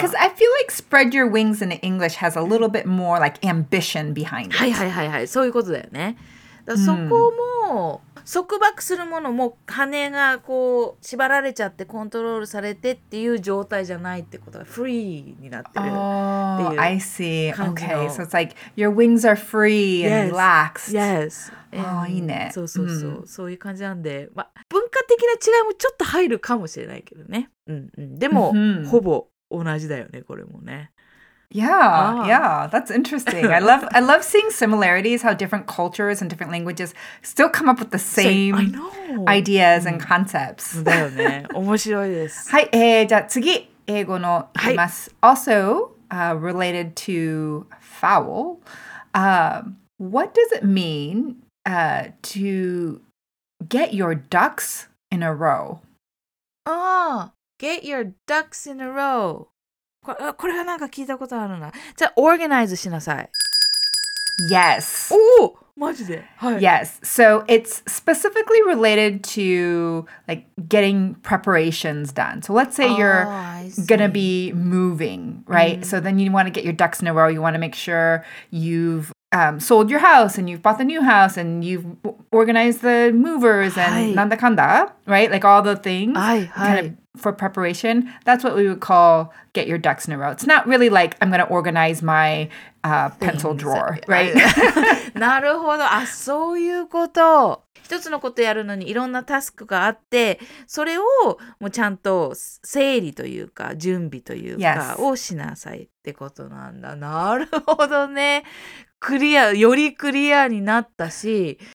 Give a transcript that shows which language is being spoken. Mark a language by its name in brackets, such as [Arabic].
[English] Yeah, because I feel like spread your wings in English has a little bit more like ambition behind it. [Japanese] はいはいはいはい。そういうことだよね。だそこも、束縛するものも羽がこう縛られちゃってコントロールされてっていう状態じゃないってことが free になってるっていう感じの。 [English] Oh, I see. Okay, so it's like your wings are free and relaxed. Yes. Yes. Oh, いいね。 [Japanese] そうそうそう。そういう感じなんで、ま、文化的な違いもちょっと入るかもしれないけどね。うんうん。でも、ほぼ同じだよね、これもね。 [English] Yeah, yeah, that's interesting. I love seeing similarities, how different cultures and different languages still come up with the same ideas and concepts. [Japanese] だよね。面白いです。はい、じゃあ次、英語の言います。 [English] はい、also, related to fowl, what does it mean to get your ducks in a row? Oh, get your ducks in a row. [Japanese] これはなんか聞いたことあるな。じゃあ、organize しなさい。 [English] Yes. [Japanese] おお、マジで。はい。 [English] Yes. So, it's specifically related to, like, getting preparations done. So, let's say you're gonna be moving, right?、Mm. So, then you want to get your ducks in a row. You want to make sure you've、sold your house, and you've bought the new house, and you've organized the movers, and、 [Japanese] はい、 [English] なんだかんだ、 right? Like, all the things. [Japanese] はい、はい。 [English] For preparation, that's what we would call get your ducks in a row. It's not really like I'm going to organize my pencil drawer, right? [Japanese] なるほど。あ、そういうこと。一つのことやるのにいろんなタスクがあって、それをもうちゃんと整理というか準備というかをしなさいってことなんだ。なるほどね。クリア、よりクリアになったし、